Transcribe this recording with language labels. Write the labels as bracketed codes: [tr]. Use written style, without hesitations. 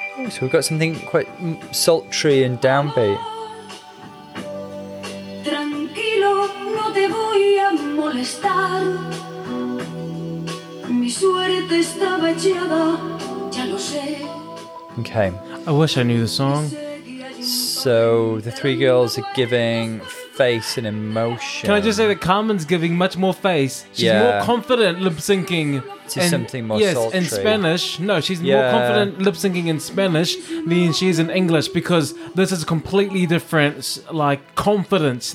[en] So we've got something quite sultry and downbeat. [es] Tranquilo, no te voy a molestar. Mi suerte estaba echada, ya lo sé. [en] Okay. I wish I knew the song. So the three girls are giving face and emotion. Can I just say that Carmen's giving much more face? She's more confident lip syncing to something more sultry. In Spanish. No, she's more confident lip syncing in Spanish than she is in English, because this is completely different, like, confidence.